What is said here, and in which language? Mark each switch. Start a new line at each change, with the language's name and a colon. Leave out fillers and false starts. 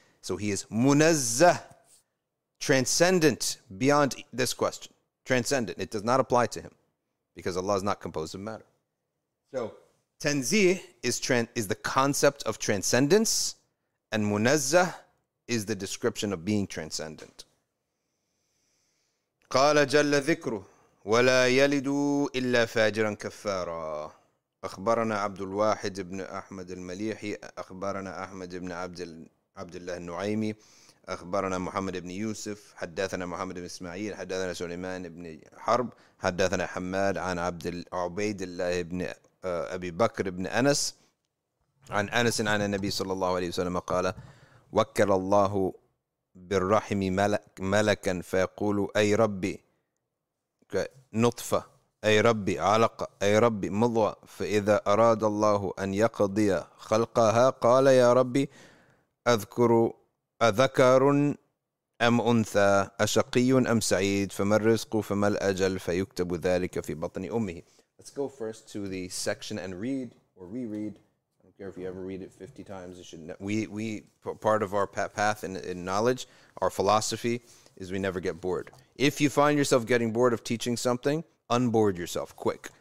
English: So he is munazzah, transcendent beyond this question. Transcendent. It does not apply to him because Allah is not composed of matter. So tanzih is the concept of transcendence, and munazzah is the description of being transcendent.
Arabic: قَالَ جَلَّ ذِكْرُ وَلَا يَلِدُ إِلَّا فَاجِرًا كَفَّارًا أخبرنا عبد الواحد بن أحمد المليحي أخبرنا أحمد بن عبد الله النعيمي أخبرنا محمد بن يوسف حدثنا محمد بن إسماعيل حدثنا سليمان بن حرب حدثنا حماد عن عبيد الله بن أبي بكر بن أنس عن أنس عن النبي صلى الله عليه وسلم قال وكل الله بالرحم ملكا فيقول أي ربي نطفة أي ربي علق أي ربي مضوى فإذا أراد الله أن يقضي خلقها قال يا ربي أذكر أذكر أم أنثى أشقي أم سعيد فما الرزق فما الأجل فيكتب ذلك في بطن أمه.
English: Let's go first to the section and read or reread. I don't care if you ever read it 50 times. You should know. We part of our path in knowledge, our philosophy, is we never get bored. If you find yourself getting bored of teaching something, unboard yourself quick.